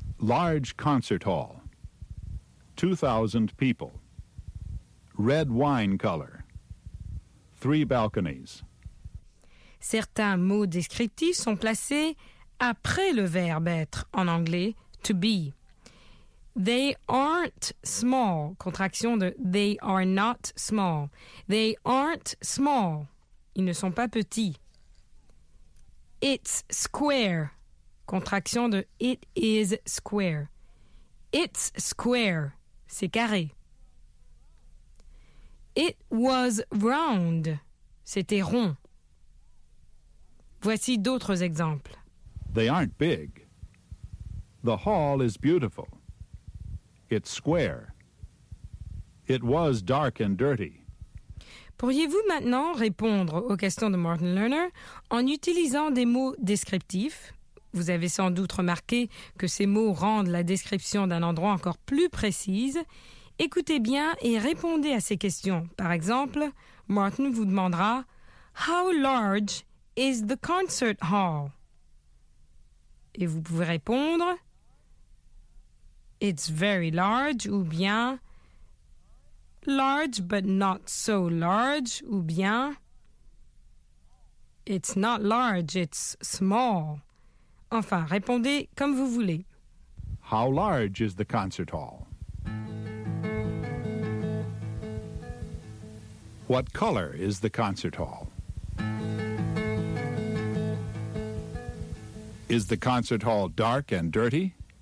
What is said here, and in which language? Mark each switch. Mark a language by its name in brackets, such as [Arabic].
[English] Large concert hall. 2,000 people. Red wine color. 3 balconies. [French] Certains mots descriptifs sont placés après le verbe être en anglais, [English] to be. They aren't small, [French] contraction de [English] they are not small. They aren't small. [French] Ils ne sont pas petits. [English] It's square, contraction de it is square. It's square, [French] c'est carré. [English] It was round, [French] c'était rond. Voici d'autres exemples. [English] They aren't big. The hall is beautiful. It's square. It was dark and dirty. [French] Pourriez-vous maintenant répondre aux questions de Martin Lerner en utilisant des mots descriptifs? Vous avez sans doute remarqué que ces mots rendent la description d'un endroit encore plus précise. Écoutez bien et répondez à ces questions. Par exemple, Martin vous demandera « [English] How large is the concert hall? [French] » Et vous pouvez répondre « [English] It's very large [French] » ou bien « [English] Large but not so large [French] » ou bien « [English] It's not large, it's small. [French] » Enfin, répondez comme vous voulez. [English] How large is the concert hall? What color is the concert hall? Is the concert hall dark and dirty?